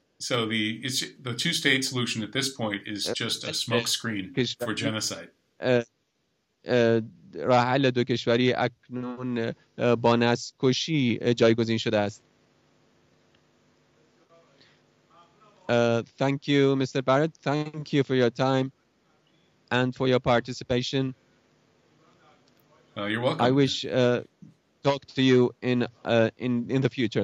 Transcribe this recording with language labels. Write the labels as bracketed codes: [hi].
[en] So the two-state solution at this point is just a smokescreen for genocide. [fa] راحل دو کشوری اکنون با نسل‌کشی جایگزین شده است. [en] Thank you, Mr. Barrett. Thank you for your time and for your participation. You're welcome. I wish talk to you in the future.